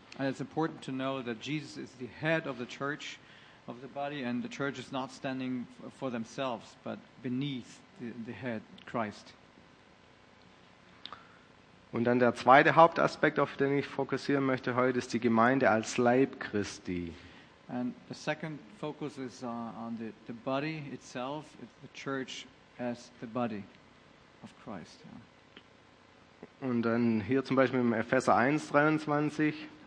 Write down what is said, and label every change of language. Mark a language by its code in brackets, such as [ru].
[en] And it's important to know that Jesus is the head of the church, of the body, and the church is not standing for themselves, but beneath the head, Christ. [de] Und dann der zweite Hauptaspekt, auf den ich fokussieren möchte heute, ist die Gemeinde als Leib Christi. [en] And the second focus is on the body itself, it's the church as the body of Christ. Yeah. [de] Und dann hier zum Beispiel im Epheser 1, 23.